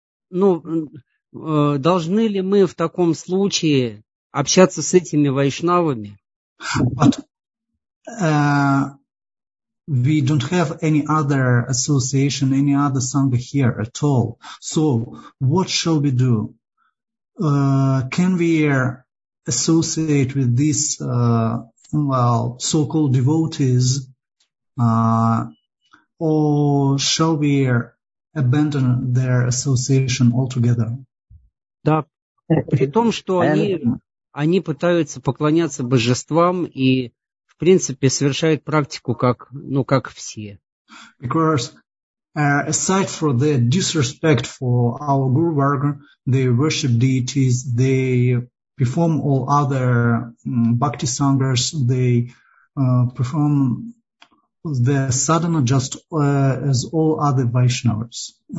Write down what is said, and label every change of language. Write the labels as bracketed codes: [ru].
[ru] Ну, должны ли мы в таком случае общаться с этими вайшнавами? [en] But we don't have any other association, any other sangha here at all. So what shall we do? Can we associate with these so-called devotees? Or shall we abandon their association altogether? [ru] Да, при том, что они пытаются поклоняться божествам и, в принципе, совершают практику как все. [en] Because aside from the disrespect for our Guru Varga, they worship deities, they perform all other bhakti sanghas, they perform the sadhana just as all other Vaishnavas.